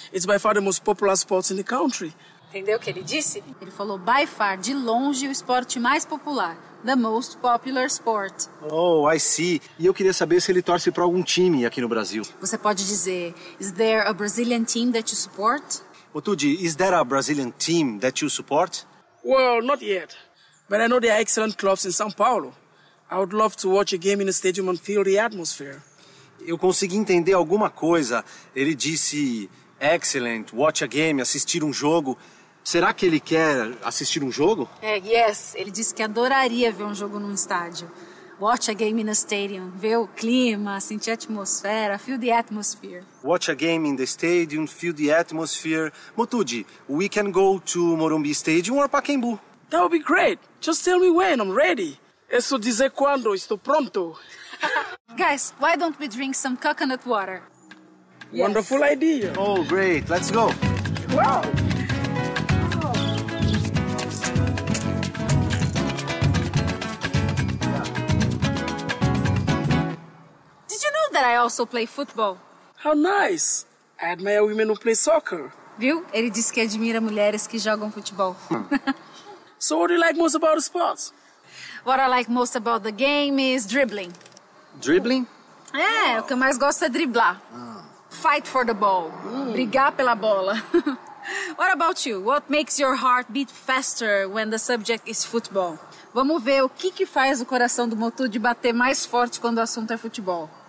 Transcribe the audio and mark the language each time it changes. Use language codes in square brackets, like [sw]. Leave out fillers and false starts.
[en] It's by far the most popular sport in the country. [pt] Entendeu o que ele disse? Ele falou, [en] by far, [pt] de longe, o esporte mais popular. [en] The most popular sport. Oh, I see. [pt] E eu queria saber se ele torce para algum time aqui no Brasil. Você pode dizer, [en] is there a Brazilian team that you support? Otudi, is there a Brazilian team that you support? Well, not yet. But I know there are excellent clubs in São Paulo. I would love to watch a game in a stadium and feel the atmosphere. [pt] Eu consegui entender alguma coisa. Ele disse, [en] excellent, watch a game, [pt] assistir um jogo. Será que ele quer assistir um jogo? É, [en] yes. [pt] Ele disse que adoraria ver um jogo num estádio. [en] Watch a game in a stadium. [pt] Ver o clima, sentir a atmosfera, [en] feel the atmosphere. Watch a game in the stadium, feel the atmosphere. Motude, we can go to Morumbi Stadium or Pacaembu. That would be great. Just tell me when, I'm ready. [pt] É só dizer quando, estou pronto. [en] Guys, why don't we drink some coconut water? Yes. Wonderful idea. Oh, great. Let's go. Wow. Did you know that I also play football? How nice. I admire women who play soccer. [pt] Viu? Ele disse que admira mulheres que jogam futebol. [en] So what do you like most about sports? What I like most about the game is dribbling. Dribbling? [pt] É, wow. O que eu mais gosto é driblar. [en] Fight for the ball. [pt] Brigar pela bola. [en] What about you? What makes your heart beat faster when the subject is football? [pt] Vamos ver o que faz o coração do Motude bater mais forte quando o assunto é futebol.